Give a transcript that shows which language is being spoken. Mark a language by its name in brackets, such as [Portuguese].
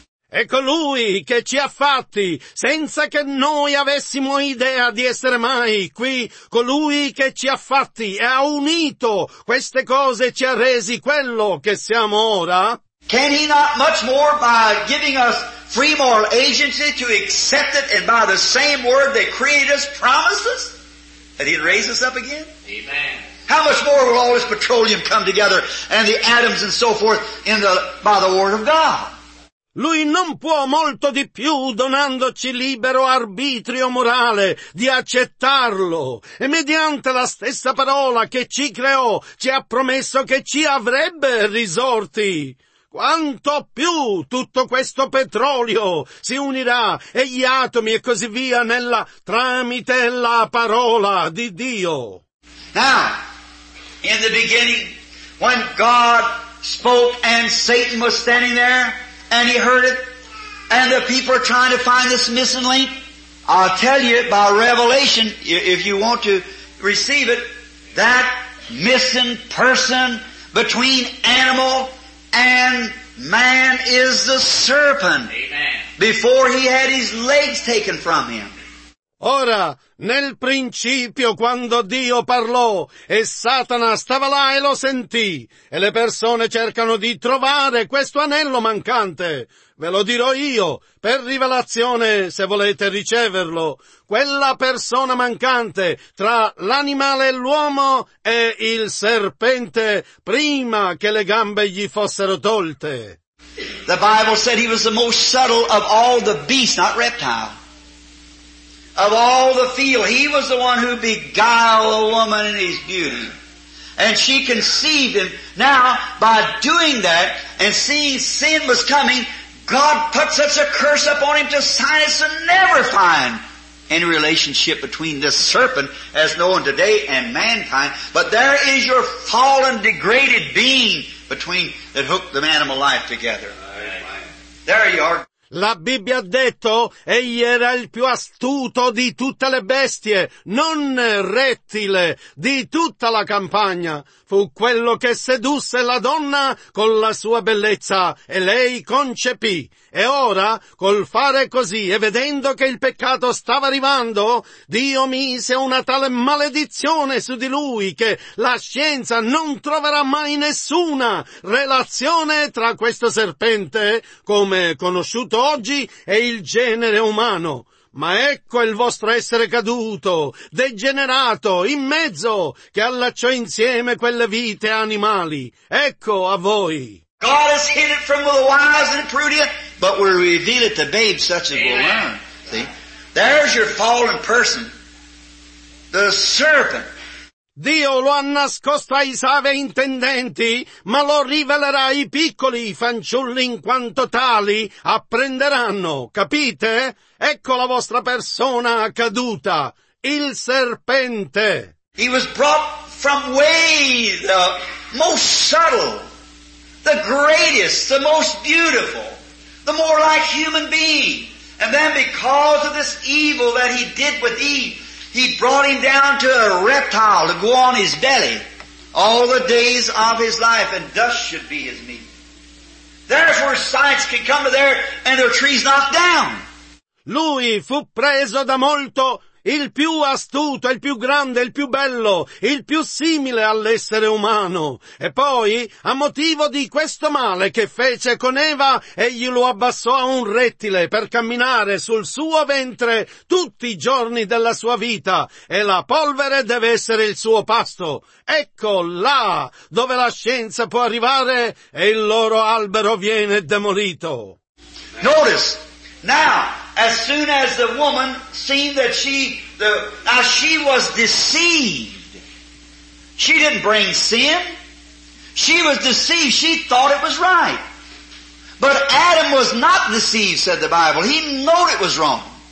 [Italian] E colui che ci ha fatti senza che noi avessimo idea di essere mai qui, colui che ci ha fatti e ha unito queste cose e ci ha resi quello che siamo ora. [English] Can he not much more by giving us free moral agency to accept it and by the same word that created us promises that he'd raise us up again? Amen. How much more will all this petroleum come together and the atoms and so forth in the by the word of God? [Italian] Lui non può molto di più donandoci libero arbitrio morale di accettarlo. E mediante la stessa parola che ci creò, ci ha promesso che ci avrebbe risorti. Quanto più tutto questo petrolio si unirà e gli atomi e così via nella tramite la parola di Dio. [English] Now, in the beginning, when God spoke and Satan was standing there, and he heard it, and the people are trying to find this missing link. I'll tell you by revelation, if you want to receive it, that missing person between animal and man is the serpent. Amen. Before he had his legs taken from him. [Italian] Ora, nel principio, quando Dio parlò, e Satana stava là e lo sentì, e le persone cercano di trovare questo anello mancante. Ve lo dirò io, per rivelazione, se volete riceverlo. Quella persona mancante, tra l'animale e l'uomo, è il serpente, prima che le gambe gli fossero tolte. [English] The Bible said he was the most subtle of all the beasts, not reptile. Of all the field, he was the one who beguiled the woman in his beauty. And she conceived him. Now, by doing that, and seeing sin was coming, God put such a curse upon him to sign us to never find any relationship between this serpent as known today and mankind. But there is your fallen, degraded being between that hooked the animal life together. There you are. [Italian] La Bibbia ha detto, egli era il più astuto di tutte le bestie, non rettile, di tutta la campagna. Fu quello che sedusse la donna con la sua bellezza, e lei concepì. E ora, col fare così, e vedendo che il peccato stava arrivando, Dio mise una tale maledizione su di lui, che la scienza non troverà mai nessuna relazione tra questo serpente, come conosciuto oggi, è il genere umano. Ma ecco il vostro essere caduto, degenerato, in mezzo, che allacciò insieme quelle vite animali. Ecco a voi. [English] God has hid it from the wise and prudent, but will reveal it to babes such as will learn. See? There's your fallen person, the serpent. [Italian] Dio lo ha nascosto ai savi intendenti, ma lo rivelerà ai piccoli fanciulli in quanto tali apprenderanno, capite? Ecco la vostra persona caduta, il serpente. [English] He was brought from way the most subtle, the greatest, the most beautiful, the more like human being. And then because of this evil that he did with Eve, he brought him down to a reptile to go on his belly all the days of his life, and dust should be his meat. Therefore, science can come to there and their trees knocked down. [Italian] Lui fu preso da molto, il più astuto, il più grande, il più bello, il più simile all'essere umano. E poi, a motivo di questo male che fece con Eva, egli lo abbassò a un rettile per camminare sul suo ventre tutti i giorni della sua vita, e la polvere deve essere il suo pasto. Ecco là dove la scienza può arrivare e il loro albero viene demolito. [English] Notice, now, as soon as the woman seen that she was deceived. She didn't bring sin. She was deceived. She thought it was right. But Adam was not deceived, said the Bible. He knew it was wrong.